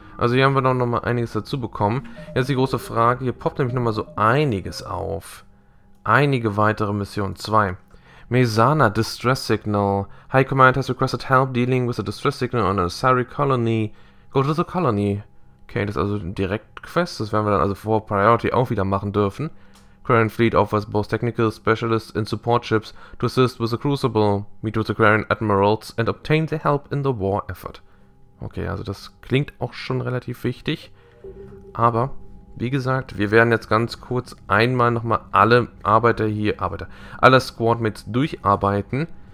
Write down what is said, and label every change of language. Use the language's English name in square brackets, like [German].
[German] Also hier haben wir nochmal einiges dazu bekommen. Jetzt die große Frage, hier poppt nämlich nochmal so einiges auf. Einige weitere Missionen. 2. Mesana Distress Signal. [English] High Command has requested help dealing with a Distress Signal on a Asari Colony. Go to the Colony. [German] Okay, das ist also eine Direktquest, das werden wir dann also vor Priority auch wieder machen dürfen. [English] Quarian Fleet offers both technical specialists and support ships to assist with the Crucible, meet with the Quarian Admirals and obtain the help in the war effort. [German] Okay, also das klingt auch schon relativ wichtig. Aber, wie gesagt, wir werden jetzt ganz kurz einmal nochmal alle Arbeiter hier, alle Squadmates durcharbeiten.